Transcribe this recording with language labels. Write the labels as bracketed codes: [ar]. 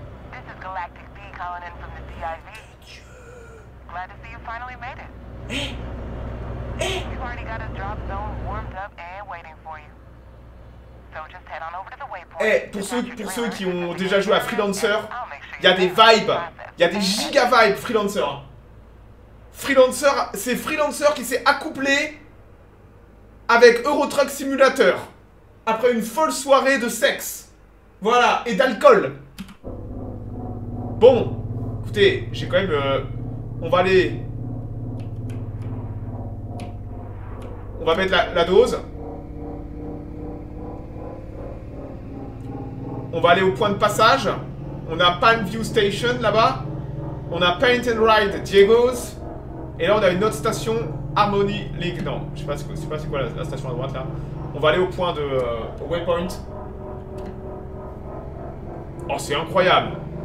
[en] This is Galactic B calling in from the DIV. Glad to see you finally made it. You've already got a drop zone warmed up and waiting for you. So just head on over to the waypoint. [fr] Eh, pour ceux qui ont déjà joué à Freelancer, il y a des vibes, il y a des giga vibes Freelancer. Freelancer, c'est Freelancer qui s'est accouplé avec Euro Truck Simulator après une folle soirée de sexe. Voilà, et d'alcool. Bon, écoutez, j'ai quand même... on va aller... On va mettre la dose. On va aller au point de passage. On a Palm View Station, là-bas. on a Paint and Ride Diego's. Et là, on a une autre station, Harmony League. Non, je sais pas c'est quoi la station à droite là. On va aller au point de Waypoint. Oh, c'est incroyable!